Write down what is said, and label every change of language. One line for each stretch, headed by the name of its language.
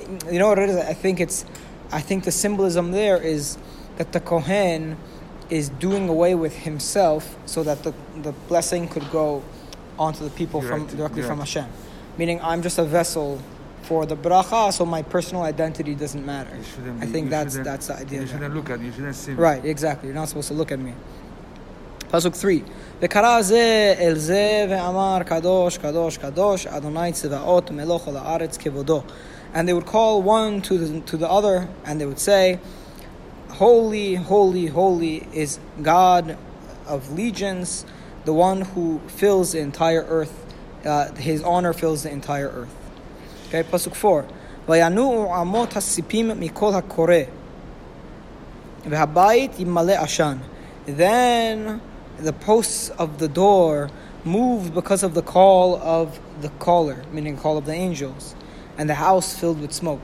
English: You know what it is? I think the symbolism there is that the Kohen is doing away with himself so that the blessing could go onto the people directly from Hashem. meaning I'm just a vessel for the bracha, so my personal identity doesn't matter. I think that's the idea. You shouldn't look at me. You shouldn't see me. Right, exactly. You're not supposed to look at me. Pasuk 3.
Hebrew: וקרא זה אל זה ואמר קדוש קדוש קדוש אדוני צבאות מלוך על הארץ כבודו.
English: And they would call one to the other, and they would say, "Holy, holy, holy is God of legions, the one who fills the entire earth. His honor fills the entire earth." Okay, pasuk 4.
Hebrew: וינוע אמות הסיפים מכל הקורא, והבית ימלא עשן.
English: Then the posts of the door moved because of the call of the caller, meaning call of the angels, and the house filled with smoke.